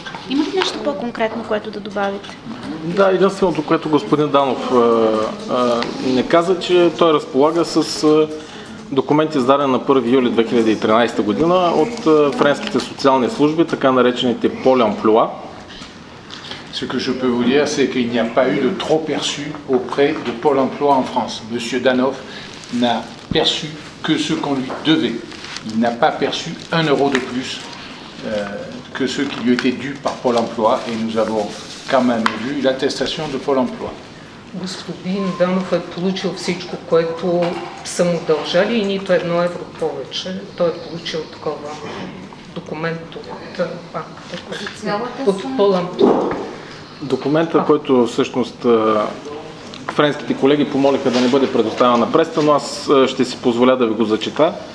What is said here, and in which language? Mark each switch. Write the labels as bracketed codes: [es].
[bg] Имате нещо по-конкретно, което да добавите? Да, единственото, което господин Данов не каза, че той разполага с документи, издадени на 1 юли 2013 година от френските социални служби, така наречените Pôle emploi. [fr] Ce que je peux vous dire, c'est qu'il n'y a pas eu de trop perçu auprès de Pôle emploi en France. Monsieur Danoff n'a perçu que ce qu'on lui devait. Il n'a pas perçu un euro de plus que ce qui lui était dû par Pôle emploi. Et nous avons quand même vu l'attestation de Pôle emploi. [bg] Господин Данов е получил всичко, което са му дължали и нито едно евро повече. Той е получил такова документ от банката, от Pôle emploi. Документа, който всъщност френските колеги помолиха да не бъде предоставен на преста, но аз ще си позволя да ви го зачета.